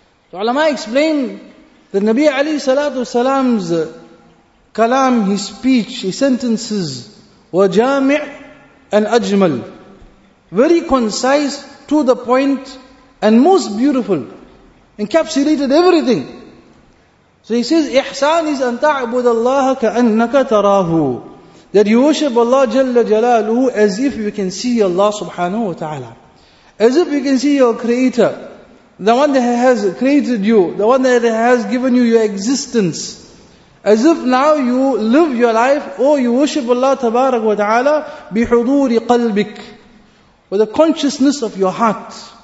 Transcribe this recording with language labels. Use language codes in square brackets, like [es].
[en] So ulama explained that Nabi alayhi salatu wasalam's kalam, his speech, his sentences, were jami' and ajmal. Very concise, to the point, and most beautiful, encapsulated everything. So he says, [ar] إحسان is أن تعبد الله كأنك تراه. [en] That you worship Allah Jalla Jalaluhu as if you can see Allah Subhanahu wa Ta'ala. As if you can see your Creator, the one that has created you, the one that has given you your existence. As if now you live your life, or you worship Allah Tabarak wa Ta'ala [ar] بحضور قلبك, [en] with the consciousness of your heart.